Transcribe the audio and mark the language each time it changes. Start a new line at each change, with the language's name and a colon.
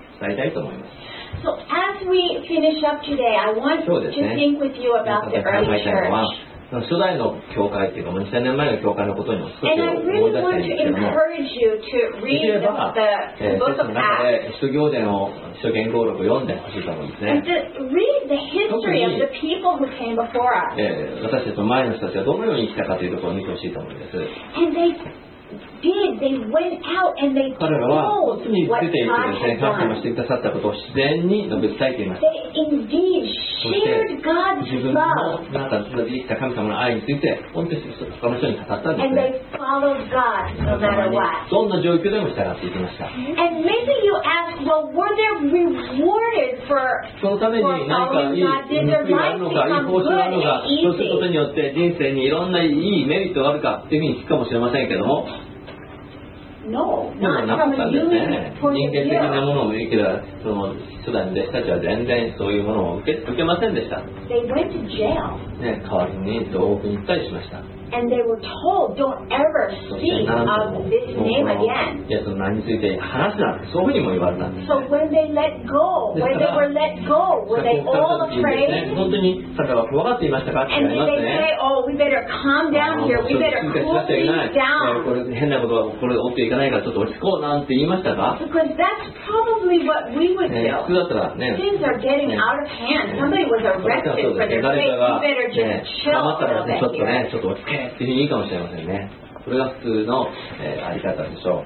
English: So as we finish up today, I want to think with you about the early church.
Japanese: 初代の教会というか、2000年前の教会のことにも少し思い出したいんですけども、できれば、聖書の中で使徒行伝を書卷号録を読んでほしいと思うんですね。特に、私たちの前の人たちはどのように生きたかというところを見てほしいと思うんです。
English: They went out and they told what God had done.
Japanese: 神様がしてくださったことを自然に述べ伝えています。
English: They indeed shared God's love.
Japanese: 自分の中で生きた神様の愛について本当に他の人に語ったんですね。
English: And they followed God no matter what.
Japanese: どんな状況でも従っていきました。
English: And maybe you ask, well, were they rewarded for following God? Did their life become good and easy?
Japanese: そうすることによって人生にいろんないいメリットがあるかというふうに聞くかもしれませんけども、
English: No, not from a human point of view.
Japanese: 人間的なものを受けた、その初代の弟子たちは全然そういうものを受けませんでした。
English: They went to jail.
Japanese: ね、代わりに牢獄に行ったりしました。
English: And they were told, don't ever speak of this name again.
Japanese: いや、その名について話すな、そういうふうにも言われたんです。
English: So when they let go, when they were let go, were they all afraid?
Japanese: 本当に彼は怖がっていましたか？
English: And did they say, oh, we better calm down here, we better cool things down?
Japanese: これ変なことが起こっていかないからちょっと落ち着こうなんて言いましたか？
English: Because that's probably what we would do.
Japanese: 普通だったらね。
English: Things are getting out of hand. Somebody was arrested for their faith. You better just chill.
Japanese: 黙ったらちょっとね、ちょっと落ち着っていいかもしれませんね。これが普通の、あり方でしょう。